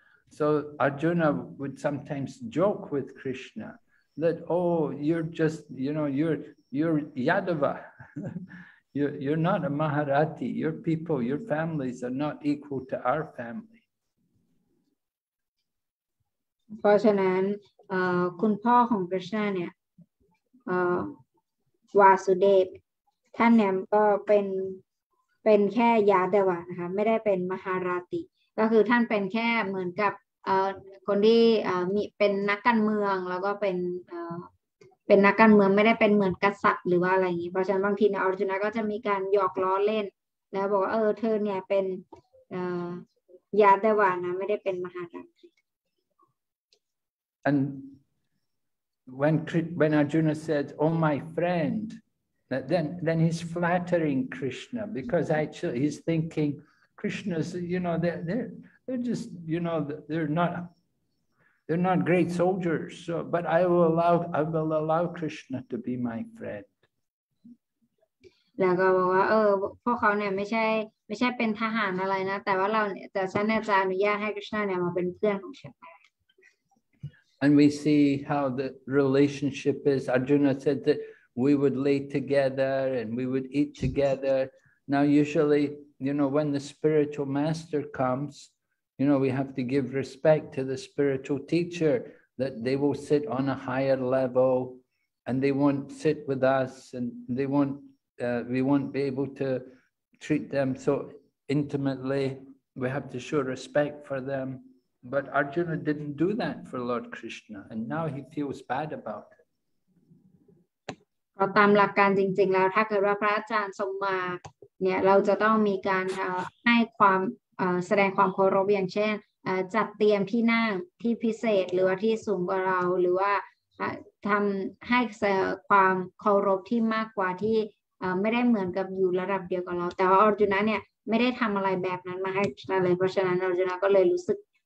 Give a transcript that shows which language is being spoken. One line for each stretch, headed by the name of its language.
English: So Arjuna would sometimes joke with Krishna that, oh, you're just, you know, you're Yadava. You're not a Maharathi. Your people, your families are not equal to our family.
Thai: เพราะฉะนั้นคุณพ่อของคริสนาเนี่ยวาสุเดฟท่านเนี่ยก็เป็นแค่ยาดาวะนะคะไม่ได้เป็นมหาราติก็คือท่านเป็นแค่เหมือนกับคนที่มีเป็นนักการเมืองแล้วก็เป็นนักการเมืองไม่ได้เป็นเหมือนกษัตริย์หรือว่าอะไรอย่างงี้เพราะฉะนั้นบางทีเนี่ยอาร์จุนะก็จะมีการหยอกล้อเล่นแล้วบอกว่าเธอเนี่ยเป็นยาดาวะนะไม่ได้เป็นมหาราติ
English: And when Arjuna said, "Oh my friend," then he's flattering Krishna because actually he's thinking Krishna's, you know, they're just, you know, they're not great soldiers. So, but I will allow Krishna to be my friend.
Thai: แล้วก็บอกว่าพวกเขาเนี่ยไม่ใช่เป็นทหารอะไรนะแต่ว่าเราแต่ฉันจะอนุญาตให้ Krishna เนี่ยมาเป็นเพื่อนของฉัน
English: And we see how the relationship is. Arjuna said that we would lay together and we would eat together. Now, usually, you know, when the spiritual master comes, you know, we have to give respect to the spiritual teacher that they will sit on a higher level and they won't sit with us and they won't, we won't be able to treat them so intimately. We have to show respect for them. But Arjuna didn't do that for Lord Krishna, and now he feels bad about it.
Thai: เราตามหลักการจริงๆแล้วถ้าเกิดว่าพระอาจารย์ทรงมาเนี่ยเราจะต้องมีการให้ความแสดงความเคารพอย่างเช่นจัดเตรียมที่นั่งที่พิเศษหรือว่าที่สูงกว่าเราหรือว่าทำให้ความเคารพที่มากกว่าที่ไม่ได้เหมือนกับอยู่ระดับเดียวกับเราแต่ว่าอาร์จุนะเนี่ยไม่ได้ทำอะไรแบบนั้นมาให้เราเลยเพราะฉะนั้นอาร์จุนะก็เลยรู้สึก